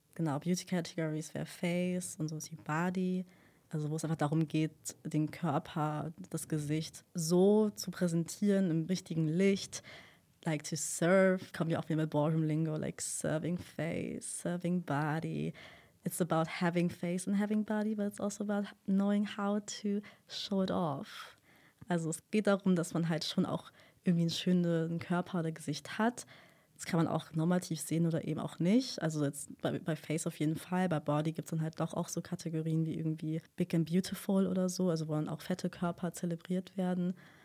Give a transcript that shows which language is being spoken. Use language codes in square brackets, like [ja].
[de] Genau, Beauty-Categories wäre Face und so ist die Body. Also wo es einfach darum geht, den Körper, das Gesicht so zu präsentieren im richtigen Licht. [en] Like to serve, [de] kommen wir auch wieder mit Ballroom-Lingo, [en] like serving face, serving body. It's about having face and having body, but it's also about knowing how to show it off. [de] Also es geht darum, dass man halt schon auch irgendwie einen schönen Körper oder Gesicht hat. Das kann man auch normativ sehen oder eben auch nicht. Also jetzt bei Face auf jeden Fall. Bei Body gibt es dann halt doch auch so Kategorien wie irgendwie Big and Beautiful oder so. Also wo dann auch fette Körper zelebriert werden.